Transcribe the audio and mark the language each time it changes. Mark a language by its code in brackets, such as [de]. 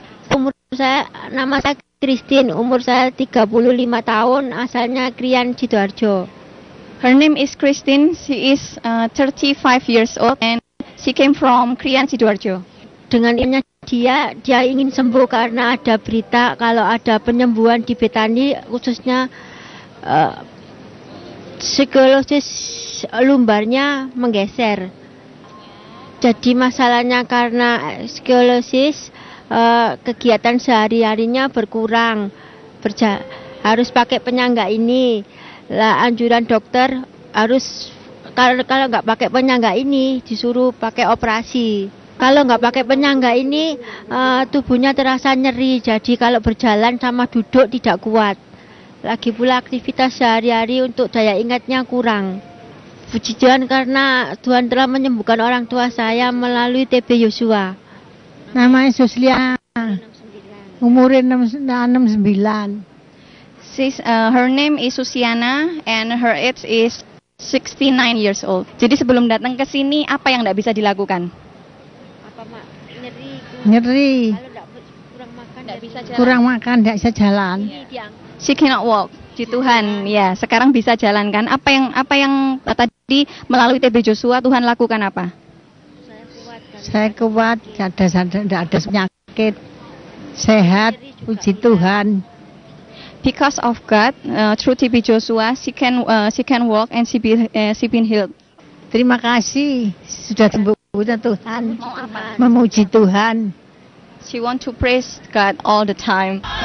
[id] Umur saya, nama saya Christine, umur saya 35 tahun, asalnya Krian, Sidoarjo. [en] Her name is Christine. She is 35 years old and she came from Krian, Sidoarjo. [id] Dengan ini dia ingin sembuh karena ada berita kalau ada penyembuhan di Betani, khususnya psikologis lumbarnya menggeser. Jadi masalahnya karena skoliosis, kegiatan sehari-harinya berkurang, harus pakai penyangga ini. Lah anjuran dokter harus, kalau nggak pakai penyangga ini disuruh pakai operasi. Kalau nggak pakai penyangga ini tubuhnya terasa nyeri, jadi kalau berjalan sama duduk tidak kuat. Lagi pula aktivitas sehari-hari untuk daya ingatnya kurang. Puji Tuhan karena Tuhan telah menyembuhkan orang tua saya melalui TB Yosua. Nama Yosulia, umur 69. [en] Her name is Susiana and her age is 69 years old. [id] Jadi sebelum datang ke sini, apa yang tidak bisa dilakukan? Apa, Mak? Nyeri. Nyeri. Kurang makan, tidak bisa jalan. [en] She cannot walk. [id] Puji Tuhan, ya, sekarang bisa jalan kan? Apa yang tadi melalui TB Joshua Tuhan lakukan apa? Saya kuat, tidak ada penyakit, sehat, puji Tuhan. [en] Because of God, through TB Joshua, she can walk and she been healed. [id] Terima kasih sudah sembuhnya Tuhan, memuji Tuhan. [en] She want to praise God all the time.